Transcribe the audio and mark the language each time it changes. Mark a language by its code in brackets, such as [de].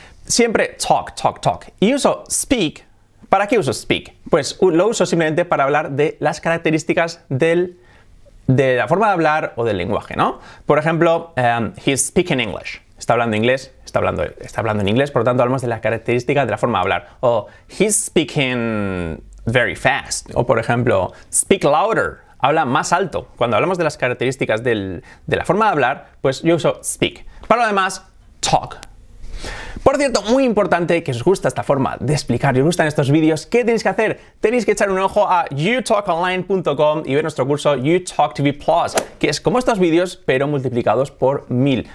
[es] Siempre talk, talk, talk. Y uso speak. ¿Para qué uso speak? Pues lo uso simplemente para hablar de las características de la forma de hablar o del lenguaje, ¿no? Por ejemplo, [en] he's speaking English. [es] Está hablando inglés, está hablando en inglés, por lo tanto hablamos de las características de la forma de hablar. [en] O he's speaking very fast. [es] O por ejemplo, [en] speak louder. [es] Habla más alto. Cuando hablamos de las características de la forma de hablar, pues yo uso speak. Para lo demás, talk. Por cierto, muy importante que os gusta esta forma de explicar y os gustan estos vídeos, ¿qué tenéis que hacer? Tenéis que echar un ojo a youtalkonline.com y ver nuestro curso YouTalkTV Plus, que es como estos vídeos, pero multiplicados por 1000.